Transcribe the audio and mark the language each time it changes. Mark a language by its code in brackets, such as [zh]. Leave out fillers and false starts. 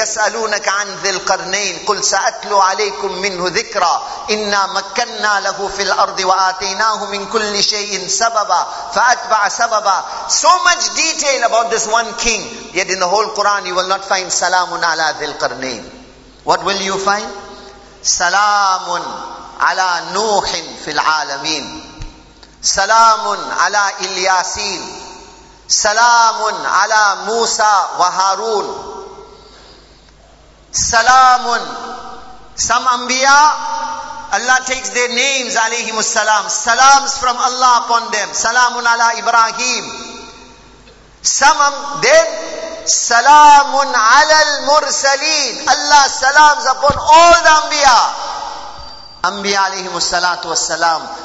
[ar] يَسْأَلُونَكَ عَنْ ذِي الْقَرْنَيْنِ قُلْ سَأَتْلُوا عَلَيْكُمْ مِنْهُ ذِكْرًا إِنَّا مَكَّنَّا لَهُ فِي الْأَرْضِ وَآتَيْنَاهُ مِنْ كُلِّ شَيْءٍ سَبَبًا فَأَتْبَعَ سَبَبًا. [en] So much detail about this one king, yet in the whole Quran you will not find [ar] سَلَامٌ عَلَى ذِي الْقَرْنَيْنِ. [en] What will you find? [ar] سَلَامٌ عَلَى نُوحٍ فِي الْعَالَمِينَ سَلَامٌ عَلَى إِلْيَاسِينَ Salamun ala Musa wa Harun. Salamun. [en] Some Anbiya, Allah takes their names, alayhimus salam. Salams from Allah upon them. [ar] Salamun ala Ibrahim. Then, Salamun ala al-Mursaleen. [en] Allah salams upon all the Anbiya. Anbiya, alayhimus salatu was salam.